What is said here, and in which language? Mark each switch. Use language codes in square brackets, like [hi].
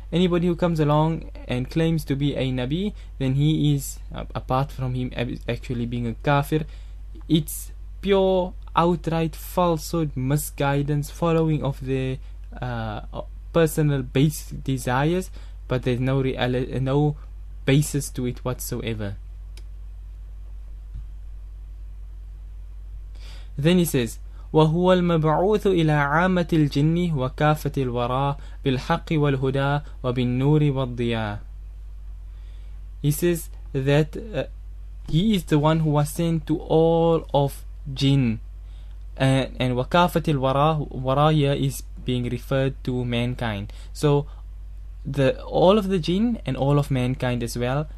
[en] Anybody who comes along and claims to be a Nabi, then he is, apart from him actually being a kafir, it's pure, outright falsehood, misguidance, following of their personal base desires, but there's no no basis to it whatsoever. Then he says, [ar] وهو المبعوث إلى عامة الجن وكافة الورى بالحق والهدى وبالنور والضياء. [en] He says that he is the one who was sent to all of jinn. And [ar] وكافة الورى, [en] ورى here is being referred to mankind. So all of the jinn and all of mankind as well.